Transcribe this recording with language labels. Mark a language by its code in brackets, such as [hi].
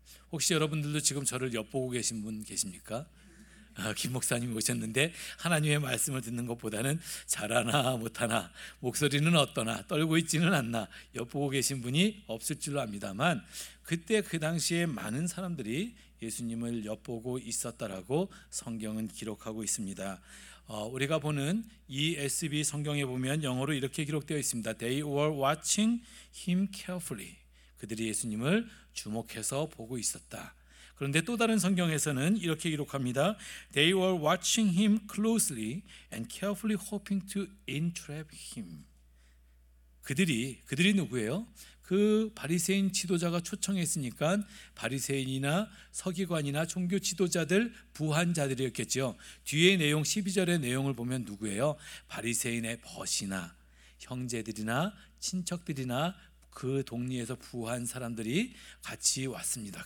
[ko] 혹시 여러분들도 지금 저를 엿보고 계신 분 계십니까? 김 목사님 오셨는데 하나님의 말씀을 듣는 것보다는 잘하나 못하나, 목소리는 어떠나, 떨고 있지는 않나, 엿보고 계신 분이 없을 줄로 압니다만 그때 그 당시에 많은 사람들이 예수님을 엿보고 있었다라고 성경은 기록하고 있습니다. 우리가 보는 ESV 성경에 보면 영어로 이렇게 기록되어 있습니다. [en] They were watching him carefully. [ko] 그들이 예수님을 주목해서 보고 있었다. 그런데 또 다른 성경에서는 이렇게 기록합니다. [en] They were watching him closely and carefully hoping to entrap him. [ko] 그들이 누구예요? 그 바리새인 지도자가 초청했으니까 바리새인이나 서기관이나 종교 지도자들, 부한 자들이었겠죠. 뒤에 내용 12절의 내용을 보면 누구예요? 바리새인의 벗이나 형제들이나 친척들이나 그 동리에서 부한 사람들이 같이 왔습니다.